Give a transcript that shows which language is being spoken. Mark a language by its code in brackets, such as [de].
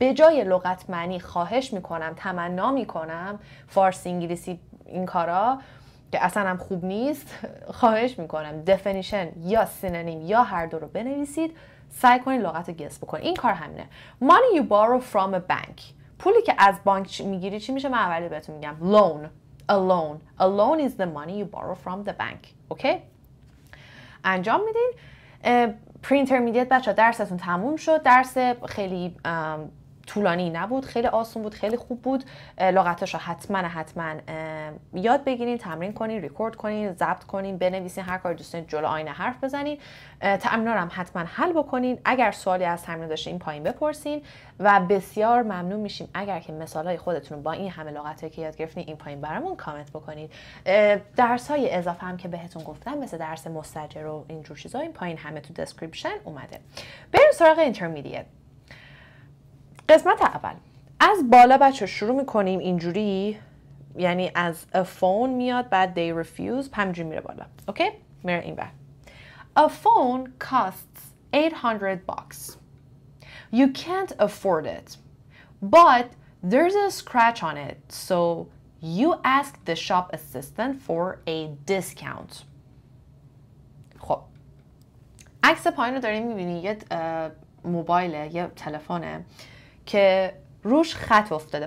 [fa] به جای لغت معنی خواهش میکنم، تمنا میکنم، فارسی انگلیسی این کارا که اصلا هم خوب نیست، خواهش میکنم دفینیشن یا سینونیم یا هر دو رو بنویسید، سعی کنین لغت رو گس بکنین. این کار همینه. [en] Money you borrow from a bank. [fa] پولی که از بانک میگیری چی میشه؟ من اولی بهتون میگم loan. [en] A loan is the money you borrow from the bank. Okay? [fa] انجام میدین. Pre intermediate بچه ها درستتون تموم شد. درس خیلی طولانی نبود. خیلی آسون بود. خیلی خوب بود. لغتاشو حتما یاد بگیرین. تمرین کنین. ریکورد کنین. ضبط کنین. بنویسین. هر کاری دوستین جلو آینه حرف بزنین. تمرینارو هم حتما حل بکنین. اگر سوالی از تمرین داشته این پایین بپرسین. و بسیار ممنون میشیم اگر که مثالای خودتون با این همه لغتایی که یاد گرفتین این پایین برامون کامنت بکنید. درس‌های اضافه هم که بهتون گفتم مثل درس مستجر و این جور چیزا این پایین همه تو دسکریپشن اومده. بریم سراغ اینترمدیت. قسمت اول از بالا بچه شروع میکنیم اینجوری، یعنی از a phone میاد بعد they refuse همینجوری میره بالا. اوکی؟ میره این بعد. [en] A phone costs 800 bucks. You can't afford it, but there's a scratch on it, so you ask the shop assistant for a discount. [fa] خب عکس پایین رو داریم میبینی، یه موبایله، یه تلفونه که روش خط افتاده.